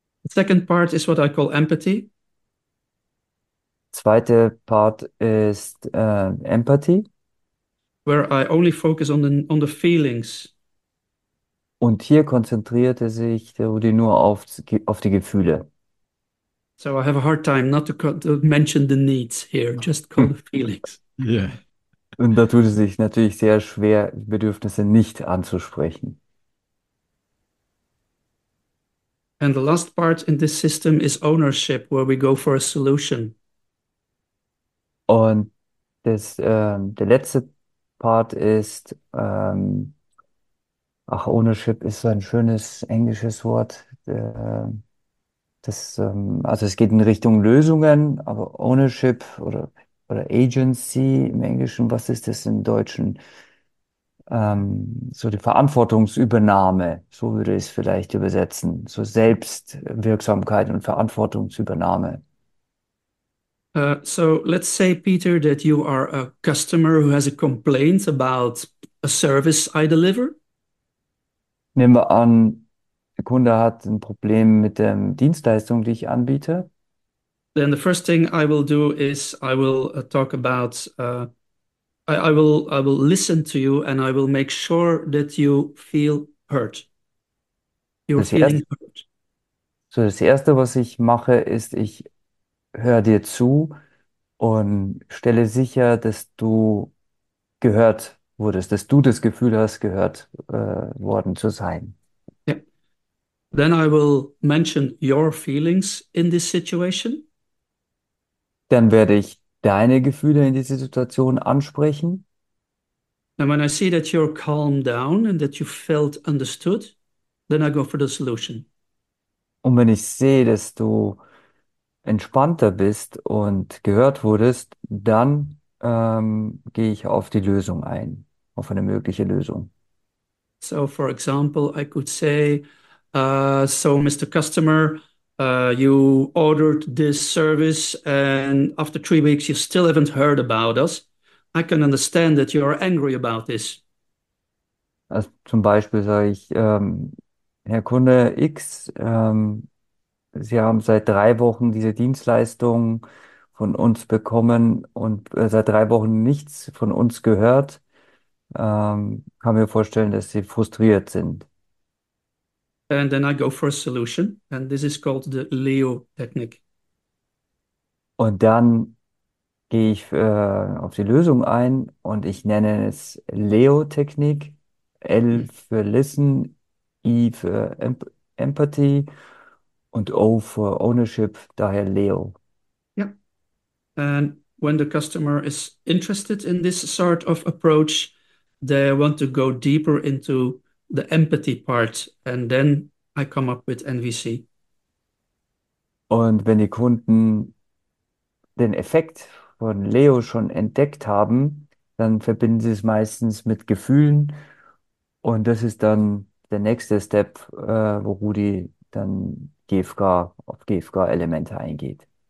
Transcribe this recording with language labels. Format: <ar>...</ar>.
<en>Second part is what I call empathy.</en> <de>Zweite Part ist Empathie.</de> <en>Where I only focus on the feelings.</en> <de>Und hier konzentrierte sich der Rudi nur auf die Gefühle.</de> <en>So I have a hard time not to mention the needs here, just call the feelings.</en> <de>Ja. Und da tut es sich natürlich sehr schwer, Bedürfnisse nicht anzusprechen.</de> <en>And the last part in this system is ownership, where we go for a solution.</en> <de>Und der letzte Part ist, ach, Ownership ist so ein schönes englisches Wort. Also es geht in Richtung Lösungen, aber Ownership oder Agency im Englischen, was ist das im Deutschen? So die Verantwortungsübernahme, so würde ich es vielleicht übersetzen. So Selbstwirksamkeit und Verantwortungsübernahme.</de> <en>So let's say, Peter, that you are a customer who has a complaint about a service I deliver.</en> <de>Nehmen wir an, der Kunde hat ein Problem mit der Dienstleistung, die ich anbiete.</de> <en>Then the first thing I will do is I will talk about I will listen to you and I will make sure that you feel hurt. You're feeling hurt.</en> <de>Das Erste, was ich mache, ist, ich höre dir zu und stelle sicher, dass du gehört wurdest, dass du das Gefühl hast, gehört worden zu sein.</de> <en>Then I will mention your feelings in this situation.</en> <de>Dann werde ich deine Gefühle in dieser Situation ansprechen.</de> <en>And when I see that you're calmed down and that you felt understood, then I go for the solution.</en> <de>Und wenn ich sehe, dass du entspannter bist und gehört wurdest, dann gehe ich auf die Lösung ein, auf eine mögliche Lösung.</de> <en>So, for example, I could say, so, Mr. Customer, you ordered this service, and after 3 weeks, you still haven't heard about us. I can understand that you are angry about this.</en> <de>Also zum Beispiel sage ich, Herr Kunde X, Sie haben seit 3 Wochen diese Dienstleistung von uns bekommen und seit 3 Wochen nichts von uns gehört, kann mir vorstellen, dass Sie frustriert sind.</de> <en>And then I go for a solution, and this is called the Leo technique.</en> <de>Und dann gehe ich auf die Lösung ein und ich nenne es Leo-Technik. L für Listen, I für Empathy und O für Ownership, daher Leo.</de> <en>And when the customer is interested in this sort of approach, they want to go deeper into the empathy part, and then I come up with NVC.</en> <de>Und wenn die Kunden den Effekt von Leo schon entdeckt haben, dann verbinden sie es meistens mit Gefühlen. Und das ist dann der nächste Step, wo Rudi dann GFK auf GFK-Elemente eingeht.</de>